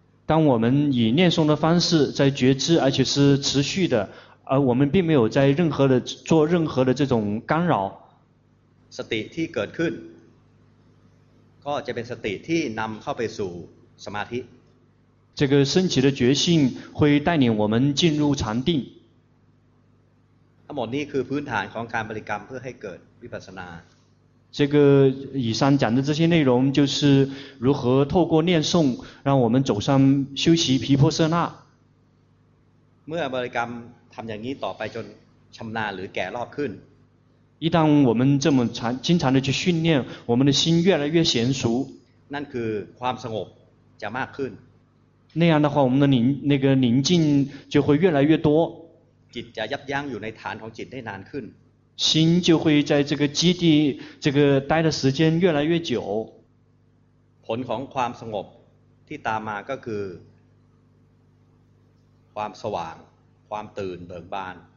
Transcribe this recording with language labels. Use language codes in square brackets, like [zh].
[zh] 当我们以念诵的方式在觉知而且是持续的而我们并没有在任何的做任何的这种干扰 [th] สติที่เกิดขึ้นก็จะเป็นสติที่นำเข้าไปสู่สมาธิ [zh] 这个升起的觉性会带领我们进入禅定 [th] ทั้งหมดนี้คือพื้นฐานของการบริกรรมเพื่อให้เกิดวิปัสสนา [zh] 这个以上讲的这些内容就是如何透过念诵让我们走上修习毗婆舍那 [th] เมื่อบริกรรมทำอย่างนี้ต่อไปจนชำนาญหรือแก่รอบขึ้น [zh] 一旦我们这么经常的去训练我们的心越来越娴熟 [th] นั่นคือความสงบจะมากขึ้น [zh] 那样的话我们的那个宁静就会越来越多 [th] จิตจะยับยั้งอยู่ในฐานของจิตได้นานขึ้น [zh] Sim就会在这个基地这个待的时间越来越久 [th] ผลของความสงบที่ตามมาก็คือความสว่างความตื่นเบิกบาน